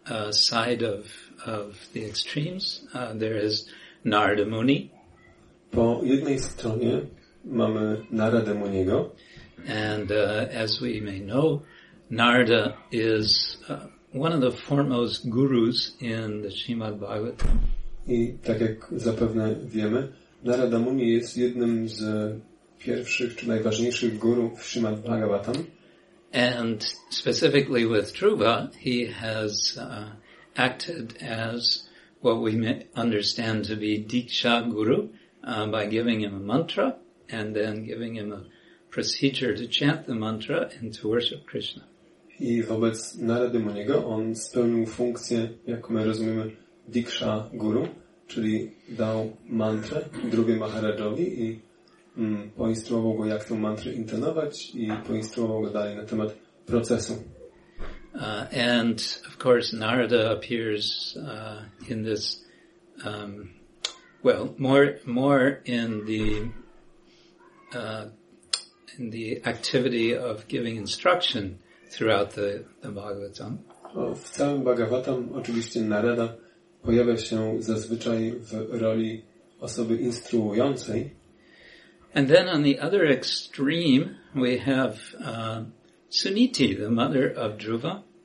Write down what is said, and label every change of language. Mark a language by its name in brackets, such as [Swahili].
[English] Side of the extremes, there is Narada Muni. [Polish] Po jednej stronie mamy Narada Muniego. [English] And as we may know, Narada is one of the foremost gurus in the Srimad Bhagavatam. [Polish] I tak jak zapewne wiemy, Narada Muni jest jednym z pierwszych czy najważniejszych guru w Śrimad Bhagavatam. [English] And specifically with Dhruva, he has acted as what we may understand to be Diksha Guru by giving him a mantra and then giving him a procedure to chant the mantra and to worship Krishna. [Polish] I wobec Narady Muniego on spełnił funkcję, jak my rozumiemy, Diksha Guru, czyli dał mantrę Dhruvie Maharajowi i poinstruował go, jak tę mantrę intonować i poinstruował go dalej na temat procesu. [English] And of course Narada appears in this more in the activity of giving instruction throughout the Bhagavatam. [Polish] W całym Bhagavatam oczywiście Narada pojawia się zazwyczaj w roli osoby instruującej. [English] And then on the other extreme we have Suniti, the mother of Dhruva.